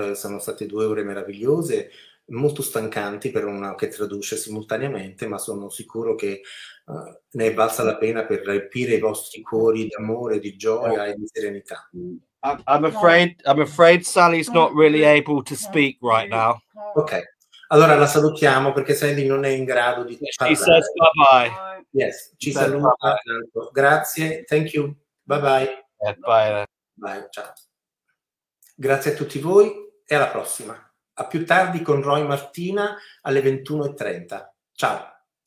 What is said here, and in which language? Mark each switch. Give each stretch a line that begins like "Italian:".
Italian: Sono state 2 ore meravigliose, molto stancanti per una che traduce simultaneamente, ma sono sicuro che ne è valsa la pena per riempire i vostri cuori di amore, di gioia e di serenità.
English: I'm afraid Sally's not really able to speak right now.
Italian: Ok, allora la salutiamo perché Sally non è in grado di parlare.
English: She says bye bye. Yes,
Italian: ci saluta. Grazie,
English: thank you, bye bye. Bye. Bye, ciao.
Italian: Grazie a tutti voi e alla prossima. A più tardi con Roy Martina alle 21:30. Ciao.